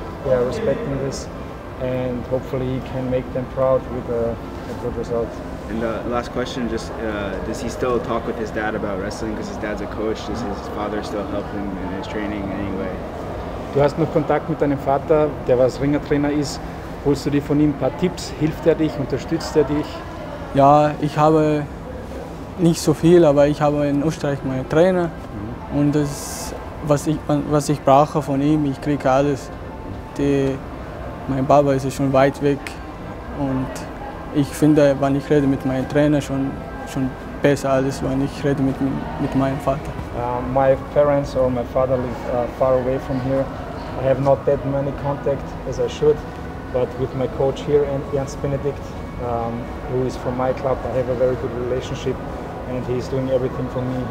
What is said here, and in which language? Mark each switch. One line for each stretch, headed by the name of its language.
English: They are respecting this, and hopefully he can make them proud with a good result. And the last question, just does he still talk with his dad about wrestling, because his dad's a coach? Does his father still help him in his training in any way?
German: Du hast noch Kontakt mit deinem Vater, der was Ringertrainer ist. Holst du dir von ihm ein paar Tipps? Hilft er dich? Unterstützt er dich? Ja, ich habe nicht so viel, aber ich habe in Österreich meinen Trainer und das, was ich brauche von ihm, ich kriege alles. Mein Papa ist schon weit weg und ich finde, wenn ich rede mit meinem Trainer, schon besser als wenn ich rede mit meinem Vater.
English: My parents or my father live far away from here. I have not that many contact as I should, but with my coach here, Ernst Benedikt, who is from my club, I have a very good relationship and he's doing everything for me.